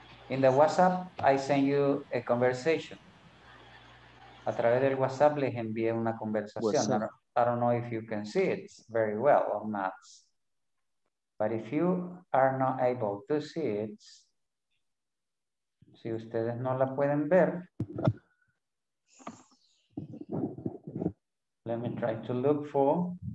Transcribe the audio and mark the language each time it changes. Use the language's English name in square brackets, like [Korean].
[English] In the WhatsApp, I send you a conversation. [Spanish] A través del WhatsApp les envié una conversación. [English] I don't know if you can see it very well or not. But if you are not able to see it, [Spanish] si ustedes no la pueden ver, [English] let me try to look for.